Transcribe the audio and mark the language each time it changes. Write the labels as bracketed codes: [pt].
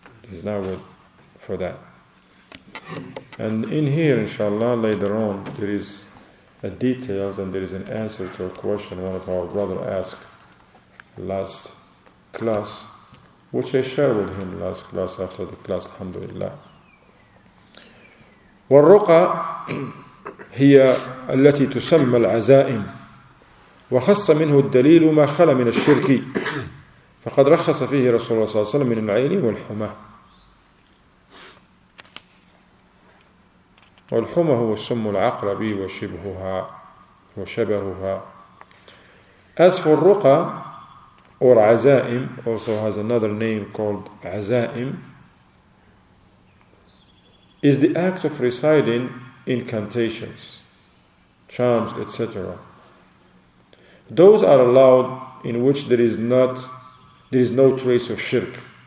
[en] He's not with for that. And in here, inshallah, later on, there is a details and there is an answer to a question one of our brother asked last class, which I shared with him last class after the class, alhamdulillah. [ar] والرقى هي التي تسمى العزائم وخص منه الدليل ما خلى من الشرك فقد رخص فيه رسول الله صلى الله عليه وسلم من العين والحمى. والحمى هو السم العقربي وشبهها وشبهها. [en] As for الرقى or عزائم, also has another name called عزائم, is the act of reciting incantations, charms, etc. Those are allowed in which there is no trace of shirk.